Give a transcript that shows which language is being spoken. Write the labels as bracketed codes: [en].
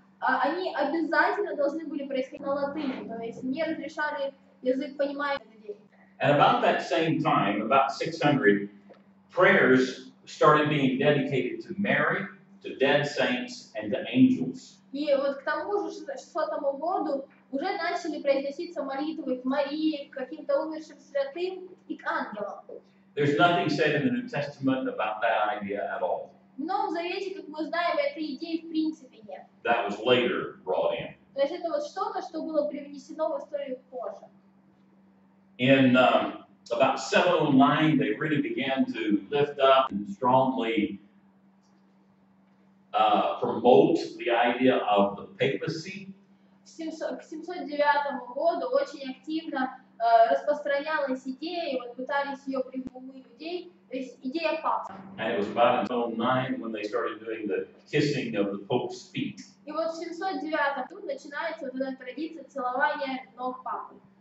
[ru] Они обязательно должны были происходить на латыни, то есть не разрешали язык понимать людей. [en] And about that same time, about 600, prayers started being dedicated to Mary, to dead saints, and to angels. [ru] И вот к тому же 600 году уже начали произноситься молитвы к Марии, к каким-то умершим святым и к ангелам. [en] There's nothing said in the New Testament about that idea at all. [ru] В Новом Завете, как мы знаем, этой идеи в принципе нет. [en] That was later brought in. [ru] То есть это вот что-то, что было привнесено в историю позже. [en] In about 709, they really began to lift up and strongly promote the idea of the papacy. [ru] К 709 году очень активно распространялась идея, и вот пытались ее привлечь людей, то есть идея папы. [en] And it was about 709 when they started doing the kissing of the Pope's feet. [ru] И вот в 709 году начинается вот эта традиция целования ног папы.